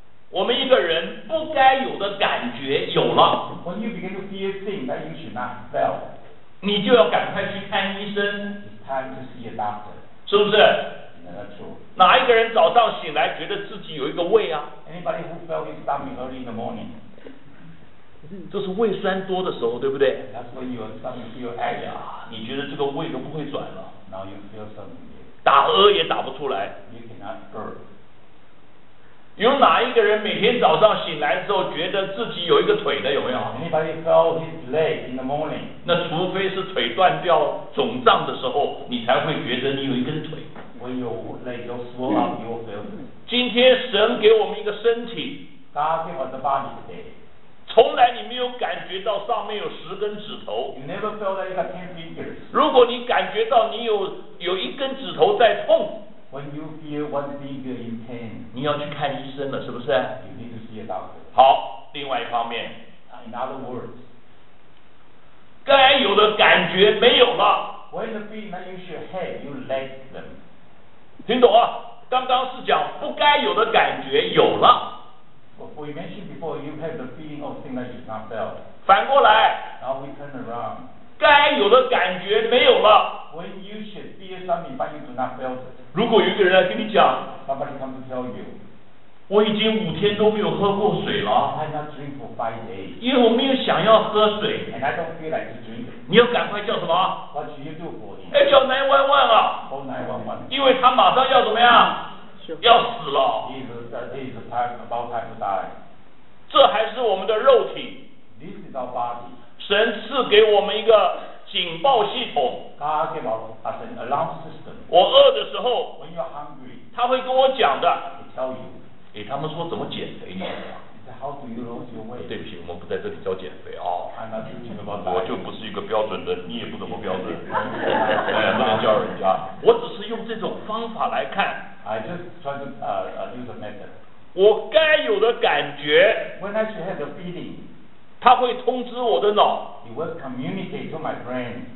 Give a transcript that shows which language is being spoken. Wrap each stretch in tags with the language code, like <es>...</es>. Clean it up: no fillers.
<zh>我们一个人不该有的感觉有了。</zh> <en>When you begin to feel things that you should not feel,</en> <zh>你就要赶快去看医生。</zh> <en>Time to see a doctor.</en> <zh>是不是？</zh> <en>That's true.</en> <zh>哪一个人早上醒来觉得自己有一个胃啊？</zh> <en>Anybody who felt his stomach early in the morning?</en> <zh>这是胃酸多的时候，对不对？</zh> <en>That's when your stomach feels acid.</en> <zh>你觉得这个胃都不会转了。</zh> <en>Now you feel something.</en> <zh>打嗝也打不出来。</zh> <en>You cannot burp.</en> <zh>有哪一个人每天早上醒来之后觉得自己有一个腿的，有没有？</zh> <en>Anybody felt his leg in the morning?</en> <zh>那除非是腿断掉肿胀的时候，你才会觉得你有一根腿。</zh> <en>When your leg is swollen, you feel it.</en> <zh>今天神给我们一个身体。</zh> <en>God gave us a body today.</en> <zh>从来你没有感觉到上面有十根指头。</zh> <en>You never felt that you have 10 fingers.</en> <zh>如果你感觉到你有一根指头在痛，</zh> <en>When you feel one finger in pain,</en> <zh>你要去看医生了，是不是？</zh> <en>You need to see a doctor.</en> <zh>好，另外一方面，</zh> <en>In other words,</en> <zh>该有的感觉没有了。</zh> <en>When the feeling that you should have, you lack them.</en> <zh>听懂啊？刚刚是讲不该有的感觉有了。</zh> <en>We mentioned before you have the feeling of things that you have not felt.</en> <zh>反过来，</zh> <en>Now we turn around.</en> <zh>该有的感觉没有了。</zh> <en>When you should feel something, but you do not feel it.</en> <zh>如果有一个人来跟你讲，</zh> <en>Somebody come to tell you,</en> <zh>我已经五天都没有喝过水了。</zh> <en>I not drink for 5 days.</en> <zh>因为我没有想要喝水。</zh> <en>And I don't feel like to drink.</en> <zh>你要赶快叫什么？</zh> <en>What should you do for him?</en> <zh>哎，叫911啊！</zh> <en>Call 911。</en> <zh>因为他马上要怎么样？</zh> <en>Sure.</en> <zh>要死了。</zh> <en>He is time about time to die.</en> <zh>这还是我们的肉体。</zh> <en>This is our body.</en> <zh>神赐给我们一个警报系统。</zh> <en>God gave us an alarm system.</en> <zh>我饿的时候，</zh> <en>When you're hungry,</en> <zh>他会跟我讲的。</zh> <en>He tell you.</en> <zh>哎，他们说怎么减肥呢？</zh> <en>How do you lose your weight?</en> <zh>对不起，我们不在这里教减肥啊。</zh> <en>I'm not teaching about diet.</en> <zh>我就不是一个标准的，你也不怎么标准。哎，不能教人家。我只是用这种方法来看。</zh> <en>I just try to use a method.</en> <zh>我该有的感觉。</zh> <en>When I should have the feeling.</en> <zh>他会通知我的脑，</zh> <en>It will communicate to my brain,</en>